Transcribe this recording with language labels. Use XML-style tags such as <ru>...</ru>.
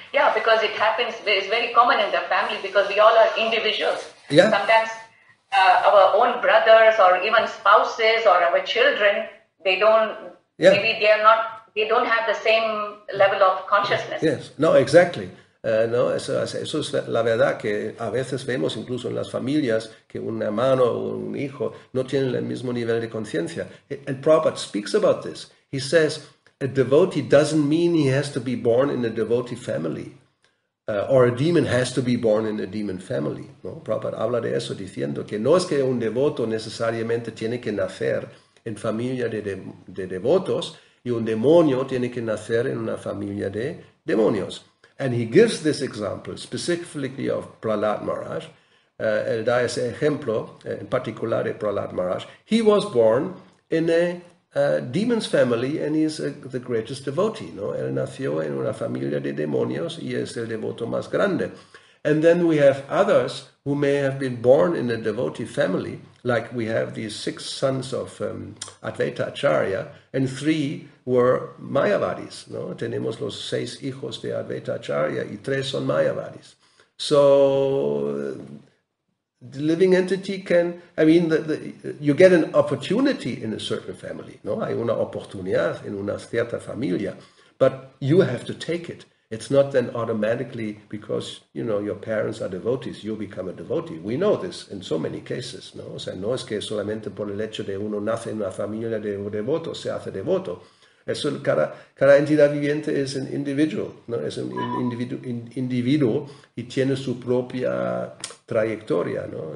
<en>Yeah, because it happens, it's very common in the family because we all are individuals. Yeah. Sometimes our own brothers or even spouses or our children, they don't have the same level of consciousness. Yes, no, exactly.</en> <es>No, eso es la verdad, que a veces vemos incluso en las familias que un hermano o un hijo no tienen el mismo nivel de conciencia.</es> <en>And Prabhupada speaks about this. He says, a devotee doesn't mean he has to be born in a devotee family, or a demon has to be born in a demon family.</en> <es>¿No? Prabhupada habla de eso diciendo que no es que un devoto necesariamente tiene que nacer en familia de devotos y un demonio tiene que nacer en una familia de demonios.</es> <en>And he gives this example, specifically of Prahlad Maharaj.</en> <es>Él da ese ejemplo, en particular de Prahlad Maharaj.</es> <en>He was born in a demon's family and he is the greatest devotee.</en> <es>No? Él nació en una familia de demonios y es el devoto más grande.</es> <en>And then we have others who may have been born in a devotee family, like we have these six sons of Advaita Acharya, and three were Mayavadis, no?</en> <es>Tenemos los seis hijos de Advaita Acharya y tres son Mayavadis.</es> <en>So, the living entity can, I mean, you get an opportunity in a certain family, no?</en> <es>Hay una oportunidad en una cierta familia,</es> <en>but you have to take it. It's not then automatically because, you know, your parents are devotees, you become a devotee. We know this in so many cases, no?</en> <es>O sea, no es que solamente por el hecho de uno nace en una familia de devotos se hace devoto. Eso, cada entidad viviente es un individuo, ¿no? Es un individuo y tiene su propia trayectoria, ¿no?</es>